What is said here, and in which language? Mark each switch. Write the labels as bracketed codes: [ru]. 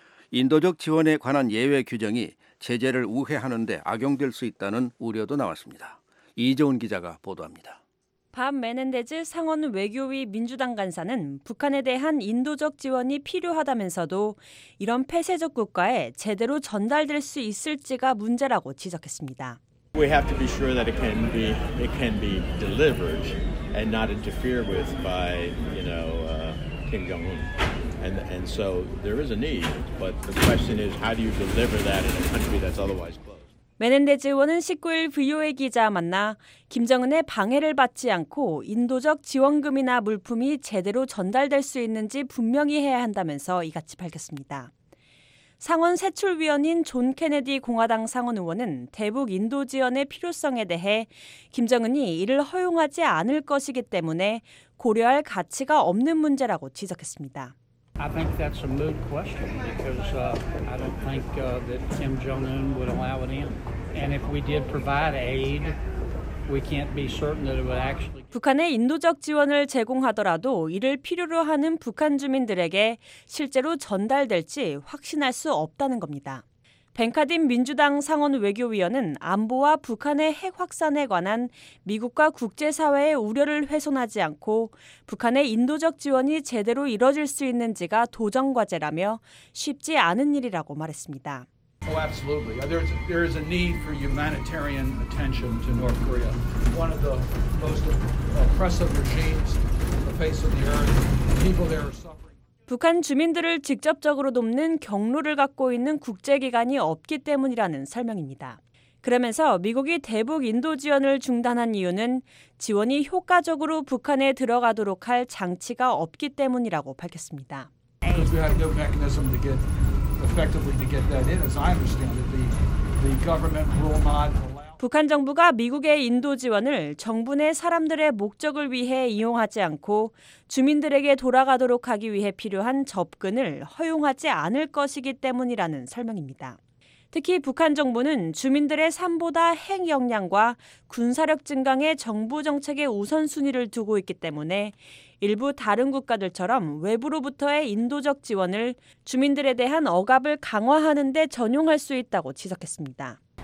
[ko] 인도적 지원에 관한 예외 규정이 제재를 우회하는 데 악용될 수 있다는 우려도 나왔습니다. 이재훈 기자가 보도합니다. 밤 메넨데즈 상원 외교위 민주당 간사는 북한에 대한 인도적 지원이 필요하다면서도 이런 폐쇄적 국가에 제대로 전달될 수 있을지가 문제라고 지적했습니다. [en] We have to be sure that it can be delivered and not interfered with by, you know, Kim Jong-un. And so there is a need, but the question is how do you deliver that in a country that's otherwise closed? [ko] 메넨데즈 의원은 19일 VOA 기자와 만나 김정은의 방해를 받지 않고 인도적 지원금이나 물품이 제대로 전달될 수 있는지 분명히 해야 한다면서 이같이 밝혔습니다. 상원 세출위원인 존 케네디 공화당 상원 의원은 대북 인도 지원의 필요성에 대해 김정은이 이를 허용하지 않을 것이기 때문에 고려할 가치가 없는 문제라고 지적했습니다. [en] I think that's a moot question because I don't think that Kim Jong-un would allow it in. And if we did provide aid, we can't be certain that it would actually. [ko] 북한의 인도적 지원을 제공하더라도 이를 필요로 하는 북한 주민들에게 실제로 전달될지 확신할 수 없다는 겁니다. 벤카딘 민주당 상원 외교위원은 안보와 북한의 핵 확산에 관한 미국과 국제사회의 우려를 훼손하지 않고 북한의 인도적 지원이 제대로 이뤄질 수 있는지가 도전 과제라며 쉽지 않은 일이라고 말했습니다. [en] Oh, absolutely. There is a need for humanitarian attention to North Korea. One of the most oppressive regimes on the face of the earth. People there are suffering. [ko] 북한 주민들을 직접적으로 돕는 경로를 갖고 있는 국제기관이 없기 때문이라는 설명입니다. 그러면서 미국이 대북 인도 지원을 중단한 이유는 지원이 효과적으로 북한에 들어가도록 할 장치가 없기 때문이라고 밝혔습니다. [en] Because we have no mechanism to get effectively to get that in, as I understand it, the government will not. [ko] 북한 정부가 미국의 인도 지원을 정부 내 사람들의 목적을 위해 이용하지 않고 주민들에게 돌아가도록 하기 위해 필요한 접근을 허용하지 않을 것이기 때문이라는 설명입니다. 특히 북한 정부는 주민들의 삶보다 핵 역량과 군사력 증강에 정부 정책의 우선순위를 두고 있기 때문에 일부 다른 국가들처럼 외부로부터의 인도적 지원을 주민들에 대한 억압을 강화하는 데 전용할 수 있다고 지적했습니다.